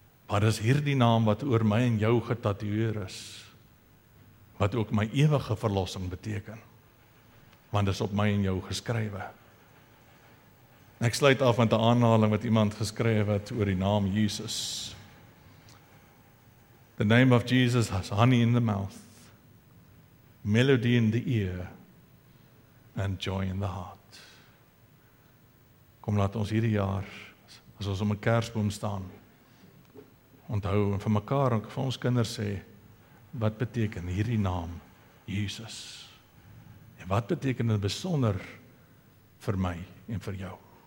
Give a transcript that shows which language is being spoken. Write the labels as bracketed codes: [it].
[af] Maar dis hierdie naam wat oor my en jou getatueer is, wat ook my ewige verlossing beteken, want dis op my en jou geskrywe. Ek sluit af met 'n aanhaling wat iemand geskryf het oor die naam Jesus. [en] The name of Jesus has honey in the mouth, melody in the ear, and joy in the heart. [af] Kom, laat ons hierdie jaar, as ons om 'n kersboom staan, onthou en vir mekaar en vir ons kinders sê, wat beteken hierdie naam Jesus? En wat beteken dit besonder vir my en vir jou?